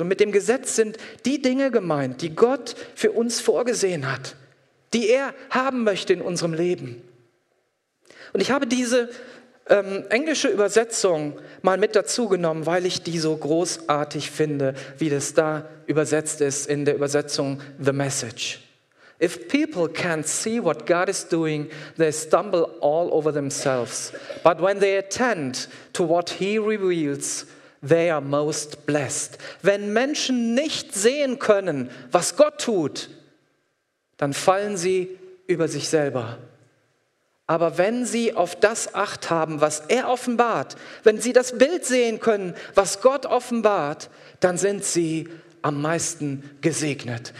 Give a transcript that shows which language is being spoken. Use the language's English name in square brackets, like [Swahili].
[German] Und mit dem Gesetz sind die Dinge gemeint, die Gott für uns vorgesehen hat, die er haben möchte in unserem Leben. Und ich habe diese englische Übersetzung mal mit dazu genommen, weil ich die so großartig finde, wie das da übersetzt ist in der Übersetzung The Message. [English] If people can't see what God is doing, they stumble all over themselves. But when they attend to what he reveals, they are most blessed. [German] Wenn Menschen nicht sehen können, was Gott tut, dann fallen sie über sich selber. Aber wenn sie auf das Acht haben, was er offenbart, wenn sie das Bild sehen können, was Gott offenbart, dann sind sie am meisten gesegnet.